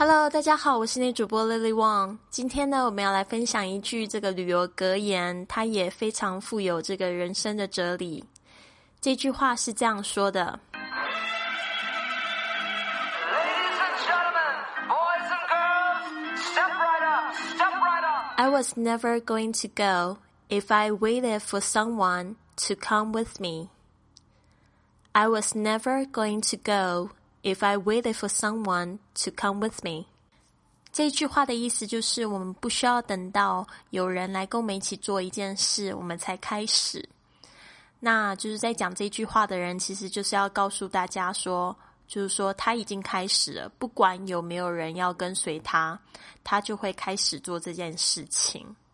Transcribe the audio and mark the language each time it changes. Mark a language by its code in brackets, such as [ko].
[zh] 大家好，我是你主播 Lily Wong。今天呢，我们要来分享一句这个旅游格言，它也非常富有这个人生的哲理。这句话是这样说的 [en] Ladies and gentlemen, boys and girls, step right up, step right up. I was never going to go if I waited for someone to come with me. I was never going to go if I waited for someone to come with me. [zh] 这句话的意思就是，我们不需要等到有人来跟我们一起做一件事，我们才开始。那就是在讲这句话的人，其实就是要告诉大家说，就是说他已经开始了，不管有没有人要跟随他，他就会开始做这件事情。